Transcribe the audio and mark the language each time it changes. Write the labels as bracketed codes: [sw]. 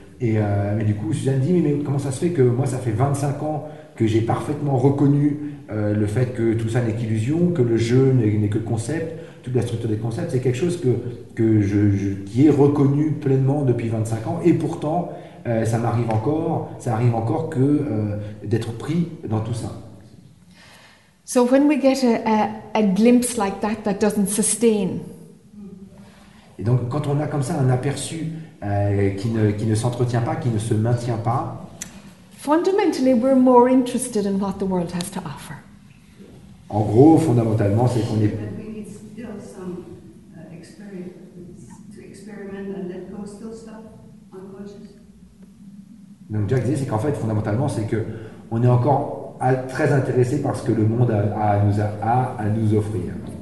[fr] Et mais du coup, Suzanne dit, mais comment ça se fait que moi, ça fait 25 ans que j'ai parfaitement reconnu le fait que tout ça n'est qu'illusion, que le jeu n'est que concept, toute la structure des concepts, c'est quelque chose qui est reconnu pleinement depuis 25 ans, et pourtant, ça arrive encore que d'être pris dans tout ça. [en] So when we get a glimpse like that, that doesn't sustain. [fr] Et donc, quand on a comme ça un aperçu qui ne s'entretient pas, qui ne se maintient pas, [en] fundamentally, we're more interested in what the world has to offer. [fr] En gros, fondamentalement, c'est qu'on est. [en] And we need still some to experiment and let go still stuff unconscious. [fr] Donc Jack disait, c'est qu'en fait, fondamentalement, c'est que on est encore très intéressé par ce que le monde a à nous offrir.